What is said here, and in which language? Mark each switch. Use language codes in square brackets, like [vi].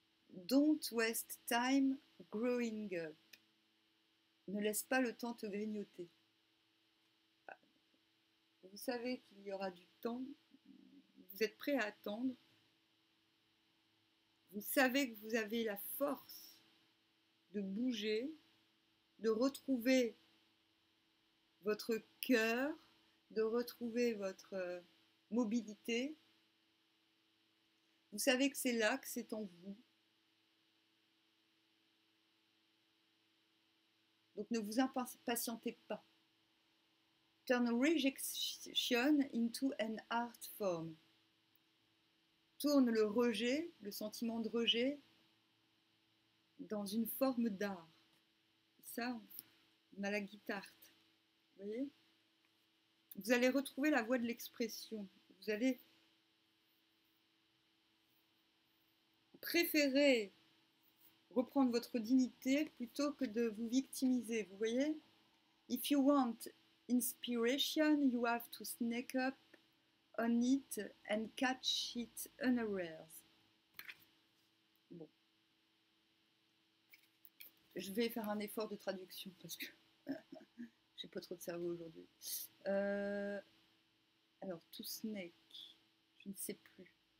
[en] Don't waste time growing up. [fr] Ne laisse pas le temps te grignoter. Vous savez qu'il y aura du temps. Vous êtes prêt à attendre. Vous savez que vous avez la force de bouger, de retrouver votre cœur, de retrouver votre mobilité. Vous savez que c'est là, que c'est en vous. Donc ne vous impatientez pas. [en] Turn a rejection into an art form. [fr] Tourne le rejet, le sentiment de rejet, dans une forme d'art. Ça, on a la guitare. Vous voyez ? Vous allez retrouver la voie de l'expression. Vous allez préférer reprendre votre dignité plutôt que de vous victimiser, vous voyez? [en] If you want inspiration, you have to sneak up on it and catch it unawares. [fr] Bon. Je vais faire un effort de traduction parce que j'ai pas trop de cerveau aujourd'hui. Alors, [en] to sneak, [fr] je ne sais plus.